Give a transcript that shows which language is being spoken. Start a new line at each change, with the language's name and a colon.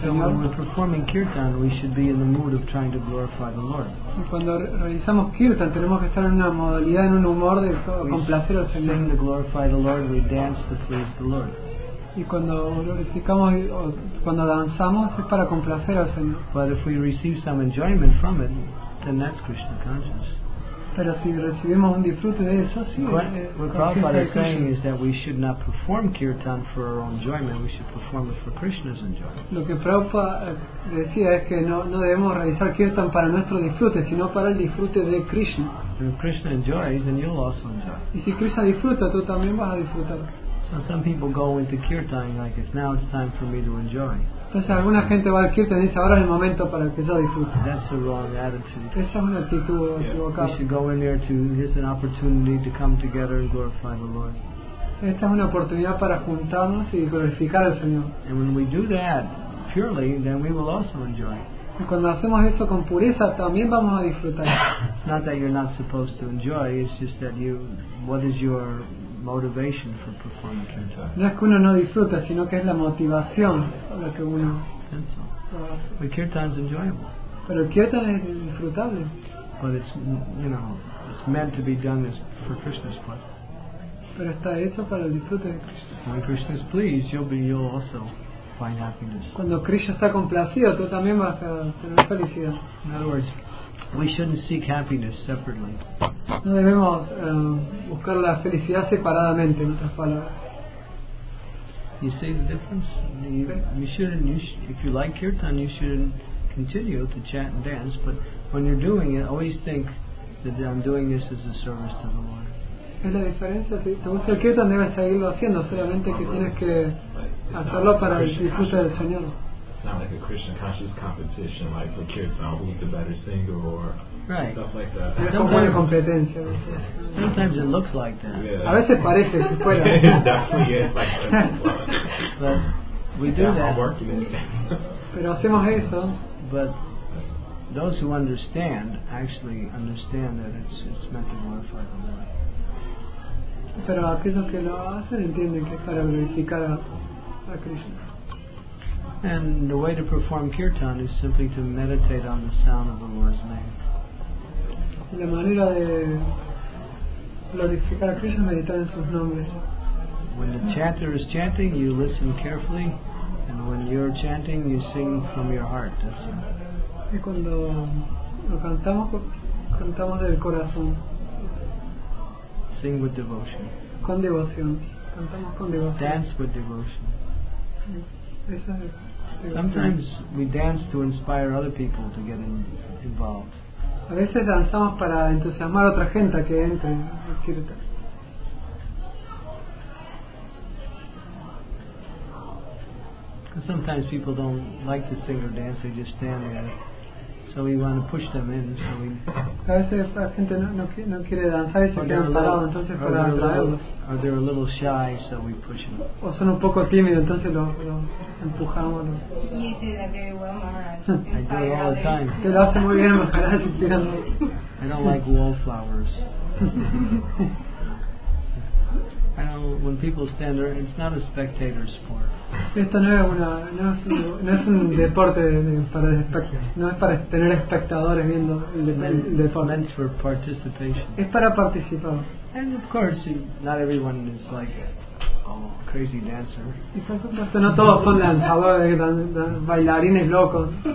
English: So when we're performing kirtan, we should be in the mood of trying to glorify the Lord.
Spanish: Y cuando realizamos kirtan, tenemos que estar en una modalidad, en un humor de complacer al Señor.
English: We sing to glorify the Lord, we dance to please the Lord.
Spanish: Y cuando glorificamos o cuando danzamos, es para complacer al Señor.
English: But if we receive some enjoyment from it, then that's Krishna conscious.
Spanish: Pero si recibimos un disfrute de eso, sí.
English: What Prabhupada is saying is that we should not perform kirtan for our own enjoyment. We should perform it for Krishna's enjoyment.
Spanish: Lo que Prabhupada decía es que no debemos realizar kirtan para nuestro disfrute, sino para el disfrute de Krishna.
English: And if Krishna enjoys, then you'll also enjoy.
Spanish: Y si Krishna disfruta, tú también vas a disfrutar.
English: So some people go into kirtan like it's now it's time for me to enjoy.
Spanish: Entonces alguna gente va al kirtan y dice: ahora es el momento para que yo disfrute.
English: That's a wrong attitude.
Spanish: Esa es una actitud equivocada.
English: We should go in there to, here's an opportunity to come together and glorify the Lord.
Spanish: Esta es una oportunidad para juntarnos y glorificar al Señor.
English: And when we do that purely, then we will also enjoy.
Spanish: Y cuando hacemos eso con pureza, también vamos a disfrutar.
English: Not that you're not supposed to enjoy, it's just that you, what is your motivation for performing kirtan.
Spanish: No es que uno no disfruta, sino que es la motivación la que uno.
English: But kirtan is enjoyable.
Spanish: Pero kirtan es disfrutable.
English: But it's, you know, it's meant to be done as for Krishna's pleasure.
Spanish: Pero está hecho para el disfrute de Krishna.
English: When Krishna is pleased, you'll also find happiness.
Spanish: Cuando Krishna está complacido, tú también vas a tener felicidad.
English: In other words, we shouldn't seek happiness separately.
Spanish: No debemos buscar la felicidad separadamente, en otras palabras.
English: You see the difference? If you like kirtan, you shouldn't continue to chant and dance, but when you're doing it, always think that I'm doing this as a service to the Lord.
Spanish: Es la diferencia, si te gusta el kirtan, debes seguirlo haciendo, solamente que tienes que hacerlo para el disfrute del Señor.
English: Sound like a Krishna conscious competition, like for kirtan, who's the better singer or right. Stuff like that. Sometimes it looks like that. Yeah.
Spanish: A veces parece que fuera.
English: It definitely is like that. But we do that.
Spanish: Pero hacemos eso.
English: But those who understand actually understand that it's meant to glorify the Lord.
Spanish: Pero aquellos que lo hacen entienden que es para glorificar a Krishna.
English: And the way to perform kirtan is simply to meditate on the sound of the Lord's name.
Spanish: La manera de glorificar a Krishna es meditar en sus nombres.
English: When the chanter is chanting, you listen carefully, and when you're chanting, you sing from your heart. That's it.
Spanish: Y cuando lo cantamos, cantamos del corazón.
English: Sing with devotion.
Spanish: Con devoción. Cantamos con devoción.
English: Dance with devotion.
Spanish: Eso es.
English: Sometimes we dance to inspire other people to get involved.
Spanish: A veces danzamos para entusiasmar a otra gente que entre.
English: Because sometimes people don't like to sing or dance; they just stand there. So we want to push them in. So we.
Spanish: A veces la gente no quiere danzar y se quedan parados. Entonces para atraerlos.
English: Or they're a little shy, so we push them.
Spanish: O son un poco tímidos, entonces lo empujamos.
English: You do that very well, Maharaj. I do it all the time.
Spanish: Te lo hace muy bien, Maharaj.
English: I don't like wallflowers. I know when people stand there, it's not a spectator sport.
Spanish: Esto no es una, no es un deporte para espectadores. No es para tener espectadores viendo el deporte.
English: It's for participation.
Spanish: Es para participar.
English: And of course, not everyone is like a crazy dancer.
Spanish: Y por supuesto, no todos son lanzadores, bailarines locos.